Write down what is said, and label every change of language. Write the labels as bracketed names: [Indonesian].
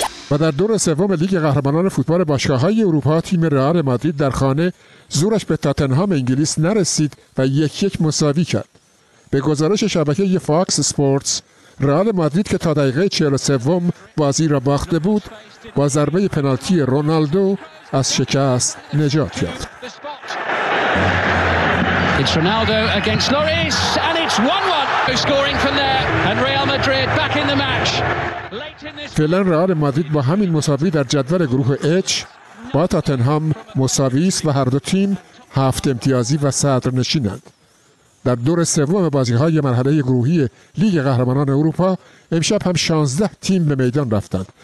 [Persian] و در دور سوم لیگ قهرمانان فوتبال باشگاه‌های اروپا تیم رئال مادرید در خانه زورش به تاتنهام انگلیس نرسید و 1-1 مساوی کرد. به گزارش شبکه فاکس سپورتس، رئال مادرید که تا دقیقه 43 بازی را باخته بود با ضربه پنالتی رونالدو از شکست نجات یافت. [English] It's Ronaldo against Lloris and it's 1-1. Scoring from there and Real Madrid back in the match. [Persian] فعلا رئال مادرید با همین مساوی در جدول گروه H با تاتنهام مساوی است و هر دو تیم 7 امتیازی و صدرنشینند. در دور سوم بازی‌های مرحله گروهی لیگ قهرمانان اروپا امشب هم 16 تیم به میدان رفتند.